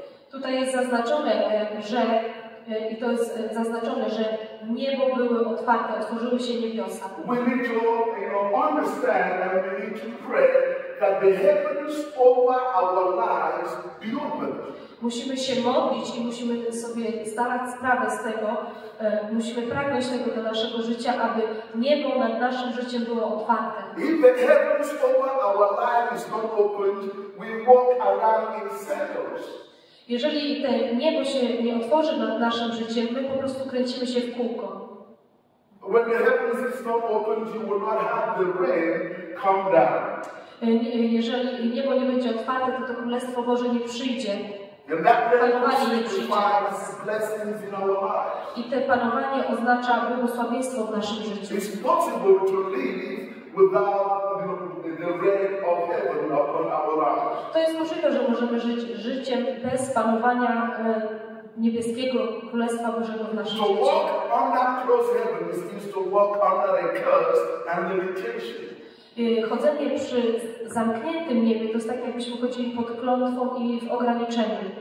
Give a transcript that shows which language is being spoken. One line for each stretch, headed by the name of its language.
Polish: Tutaj jest zaznaczone, że i to jest zaznaczone, że niebo były otwarte, otworzyły się niebiosa.
English: We need to, understand and we need to pray that the heavens over our lives be opened.
Polish: Musimy się modlić i musimy sobie zdawać sprawę z tego, musimy pragnąć tego do naszego życia, aby niebo nad naszym życiem było otwarte.
English: If the heavens over our lives not opened, we walk around in circles.
Polish: Jeżeli to niebo się nie otworzy nad naszym życiem, my po prostu kręcimy się w kółko.
English: When the heavens is not open, you will not have the rain come down.
Polish: Jeżeli niebo nie będzie otwarte, to Królestwo Boże nie przyjdzie.
English: And that
Polish: panowanie nie przyjdzie.
English: Blessings in our lives.
Polish: I to panowanie oznacza błogosławieństwo w naszym życiu.
English: It's possible to live without the rain of heaven upon our lives.
Polish: To jest możliwe, że możemy żyć życiem bez panowania niebieskiego Królestwa Bożego w naszym życiu.
English: To walk under closed heavens is to walk under a curse and limitation.
Polish: Chodzenie przy zamkniętym niebie to jest tak, jakbyśmy chodzili pod klątwą i w ograniczeniu.